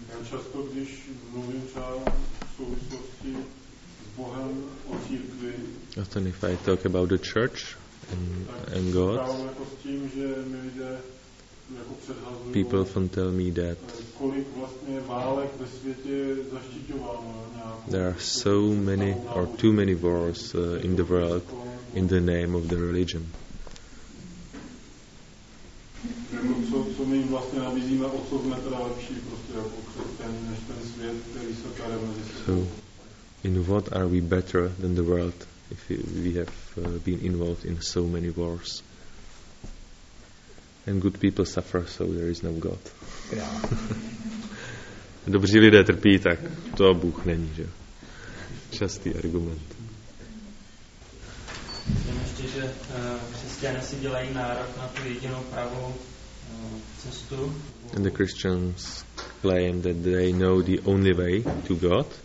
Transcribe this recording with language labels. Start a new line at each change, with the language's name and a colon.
Czech: Často, když mluvím třeba v souvislosti s Bohem o církvi,
English: often if I talk about the church and God,
Czech: jako s tím, že mi lidé jako předhazují,
English: people often tell me that
Czech: kolik vlastně válek ve světě zaštiťováno nějakou,
English: there are so many or too many wars in the world in the name of the religion.
Czech: Co my jim vlastně nabízíme, o co jsme teda lepší prostě jako ten, než ten svět, který se tady mezi sebou.
English: So, in what are we better than the world if we have been involved in so many wars? And good people suffer, so there is no God. Yeah.
Czech: Dobří lidé trpí, tak to Bůh není, že? Častý argument. Myslím ještě, že křesťané si dělají nárok na tu jedinou pravou cestu.
English: And the Christians claim that they know the only way to God.